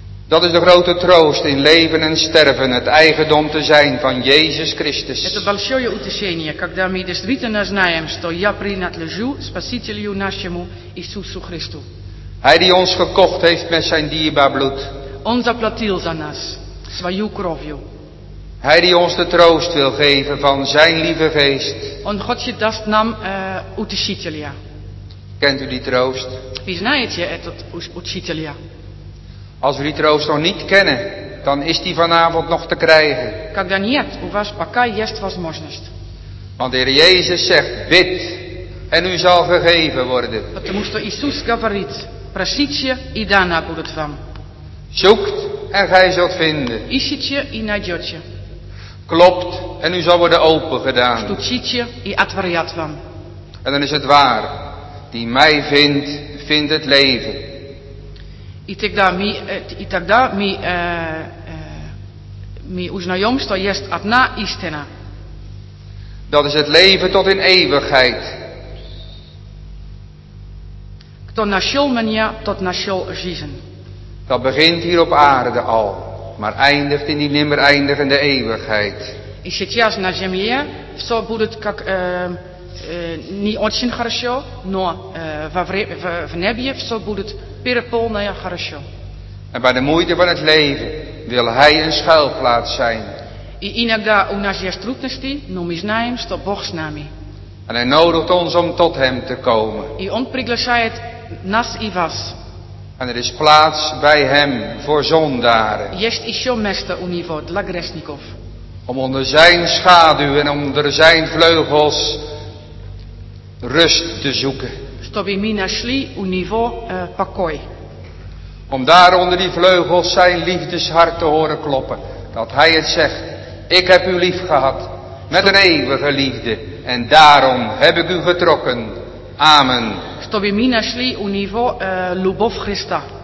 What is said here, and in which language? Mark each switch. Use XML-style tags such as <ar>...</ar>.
<nl>Dat is de grote troost in leven en sterven, het eigendom te zijn van Jezus Christus.</nl> <ru>Это большое утешение, когда мы действительно знаем, что я принадлежу Спасителю нашему Иисусу Христу.</ru> <nl>Hij die ons gekocht heeft met zijn dierbaar bloed.</nl> <ru>Он заплатил за нас свою кровью.</ru> <nl>Hij die ons de troost wil geven van zijn lieve geest.</nl> <ru>Он хочет даст нам утешителя.</ru> <nl>Kent u die troost? Wie</nl> <ru>знает</ru> <nl>je</nl> <ru>этот утешителя?</ru> <nl>Als we die troost nog niet kennen, dan is die vanavond nog te krijgen.</nl> <ru>Когда нет, у вас пока есть возможность.</ru> <nl>Want de Heer Jezus zegt, bid en u zal gegeven worden.</nl> <ru>Потому что Иисус говорит, просите и дано будет вам.</ru> <nl>Zoekt en gij zult vinden.</nl> <ru>Ищите и найдете.</ru> <nl>Клопт en u zal worden open gedaan.</nl> <ru>Стучите и отворят вам.</ru> <nl>En dan is het waar. Die mij vindt, vindt het leven.</nl> <ru>И тогда мы узнаем, что есть одна истина.</ru> <nl>Dat is het leven tot in eeuwigheid.</nl> <ru>Кто нашел меня, тот нашел жизнь.</ru> <nl>Dat begint hier op aarde al, maar eindigt in die nimmer eindigende eeuwigheid.</nl> <ru>И сейчас на земле все будет как не очень хорошо, но в небе все будет переполнено хорошо.</ru> <nl>En bij de moeite van het leven wil Hij een schuilplaats zijn.</nl> <ru>И иногда у нас есть трудности, но мы знаем, что Бог с нами.</ru> <nl>En Hij nodigt ons om tot Hem te komen.</nl> <ru>И Он приглашает нас и вас.</ru> <nl>En er is plaats bij hem voor zondaren.</nl> <ru>Есть еще место у него для грешников.</ru> <nl>Om onder zijn schaduw en onder zijn vleugels rust te zoeken.</nl> <ru>Чтобы мы нашли у него покой.</ru> <nl>Om daar onder die vleugels zijn liefdeshart te horen kloppen. Dat hij het zegt. Ik heb u lief gehad. Met een eeuwige liefde. En daarom heb ik u getrokken. Amen.</nl> <ru>Чтобы мы нашли у него любовь Христа.</ru>